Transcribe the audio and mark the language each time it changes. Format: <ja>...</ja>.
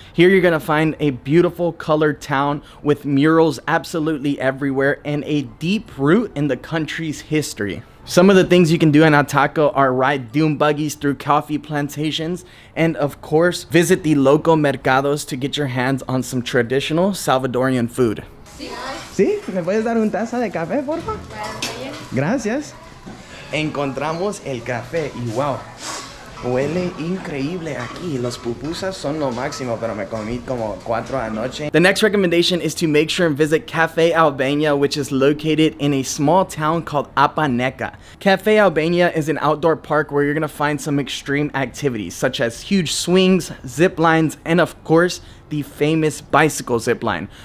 <en>Here you're gonna find a beautiful colored town with murals absolutely everywhere and a deep root in the country's history. Some of the things you can do in Ataco are ride dune buggies through coffee plantations, and of course, visit the local mercados to get your hands on some traditional Salvadorian food.</en> <es>Sí, me puedes dar un taza de café, porfa? Gracias. Encontramos el café y wow, huele increíble aquí. Los pupusas son lo máximo, pero me comí como cuatro anoche.</es> <en>The next recommendation is to make sure and visit Café Albania, which is located in a small town called Apaneca. Café Albania is an outdoor park where you're gonna find some extreme activities, such as huge swings, zip lines, and of course, the famous bicycle zipline.</en>